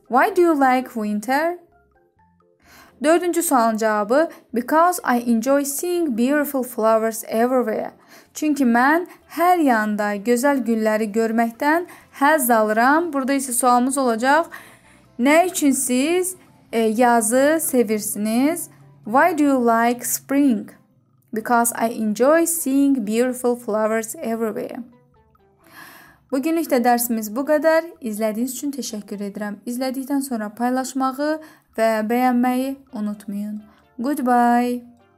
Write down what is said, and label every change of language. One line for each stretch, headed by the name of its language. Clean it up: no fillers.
English: Why do you like winter?
Azerbaijani: Dördüncü sualın cavabı,
English: because I enjoy seeing beautiful flowers everywhere.
Azerbaijani: Çünki mən hər yanda gözəl gülləri görməkdən həzz alıram. Burada isə sualımız olacaq, nə üçün siz yazı seversiniz?
English: Why do you like spring? Because I enjoy seeing beautiful flowers everywhere.
Turkish: Bugünlük de dersimiz bu kadar. İzlediğiniz için teşekkür ederim. İzledikten sonra paylaşmayı ve beğenmeyi unutmayın.
English: Goodbye.